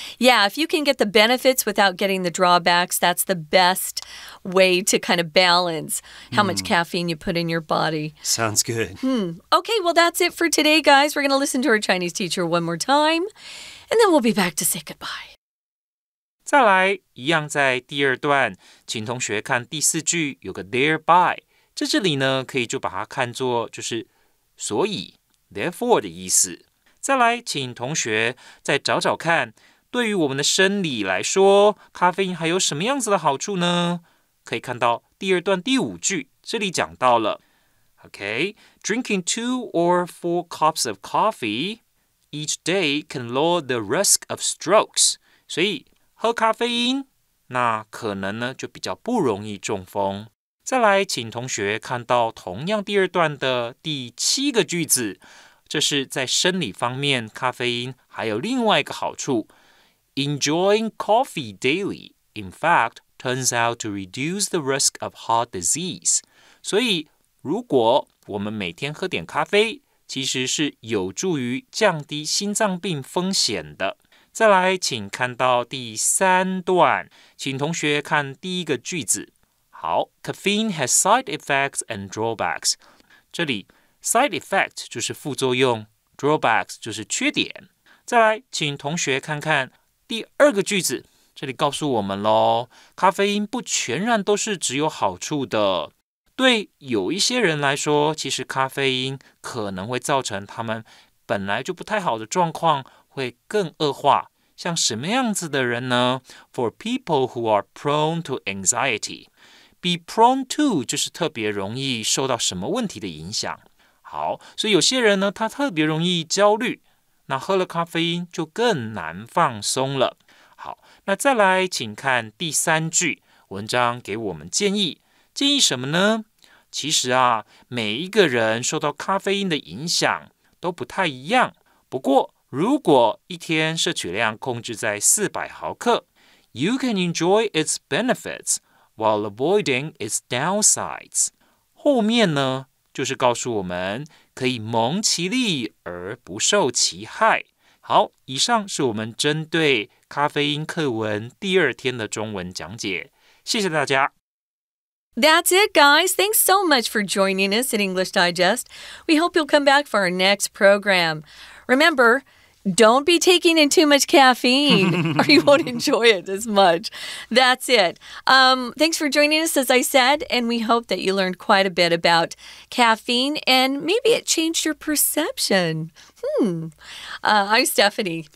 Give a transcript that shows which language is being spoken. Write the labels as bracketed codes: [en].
[en] Yeah, if you can get the benefits without getting the drawbacks, that's the best way to kind of balance how much caffeine you put in your body. Sounds good. Okay, well, that's it for today, guys. We're going to listen to our Chinese teacher one more time, and then we'll be back to say goodbye. [zh] 再来，一样在第二段，请同学看第四句，有个 thereby， 在这里呢，可以就把它看作就是所以。 Therefore 的意思。再来，请同学再找找看，对于我们的生理来说，咖啡因还有什么样子的好处呢？可以看到第二段第五句，这里讲到了。 [en] Okay, drinking 2 or 4 cups of coffee each day can lower the risk of strokes. [zh] 所以喝咖啡因，那可能呢就比较不容易中风。再来，请同学看到同样第二段的第七个句子，这是在生理方面，咖啡因还有另外一个好处。 [en] Enjoying coffee daily, in fact, turns out to reduce the risk of heart disease. [zh] 所以，如果我们每天喝点咖啡，其实是有助于降低心脏病风险的。再来，请看到第三段，请同学看第一个句子。 [en] 好 caffeine has side effects and drawbacks. [zh] 这里 side effect 就是副作用 drawbacks 就是缺点。再来请同学看看第二个句子，这里告诉我们咯，咖啡因不全然都是只有好处的。对有一些人来说，其实咖啡因可能会造成他们本来就不太好的状况会更恶化。像什么样子的人呢？ [en] For people who are prone to anxiety,Be prone to [zh] 就是特别容易受到什么问题的影响。好，所以有些人呢，他特别容易焦虑，那喝了咖啡因就更难放松了。好，那再来请看第三句，文章给我们建议，建议什么呢？其实啊，每一个人受到咖啡因的影响都不太一样，不过如果一天摄取量控制在400毫克 ， [en] You can enjoy its benefits。 While avoiding its downsides. [zh] 后面呢就是告诉我们可以蒙其利而不受其害。好，以上是我们针对咖啡因课文第二天的中文讲解。谢谢大家。 [en] That's it, guys. Thanks so much for joining us in English Digest. We hope you'll come back for our next program. Remember,Don't be taking in too much caffeine or you won't enjoy it as much. That's it. Thanks for joining us, as I said, and we hope that you learned quite a bit about caffeine and maybe it changed your perception. I'm Stephanie.